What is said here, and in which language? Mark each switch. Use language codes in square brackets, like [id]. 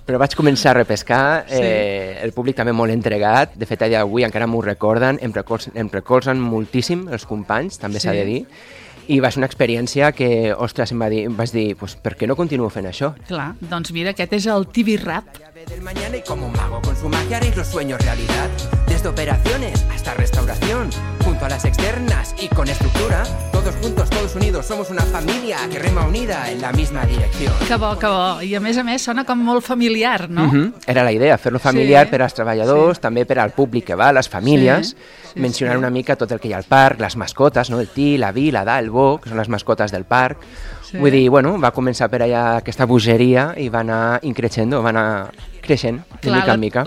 [ca] Però vaig començar a repescar, el públic també molt entregat, de fet, avui encara m'ho recorden, em recolzen moltíssim els companys, també s'ha de dir, i va ser una experiència que, ostres, em va dir, vas dir, pues, per què no continuo fent això? Clar, doncs mira, aquest és el TV Rap. [es] Del mañana y como un mago con su magia haréis los sueños realidad. Desde operaciones hasta restauración, junto a las externas y con estructura, todos juntos, todos unidos, somos una familia que rema unida en la misma dirección. [ca] Que bo, que bo. I a més sona com molt familiar, no? Uh-huh. Era la idea, fer-lo familiar per als treballadors, també per al públic que va, les famílies, mencionar una mica tot el que hi ha al parc, les mascotes, no? El Ti, la Vi, la Da, el Bo, que són les mascotes del parc. Sí. Vull dir, bueno, va començar per allà aquesta bogeria i va anar increixent, va anar creixent, de mica en mica.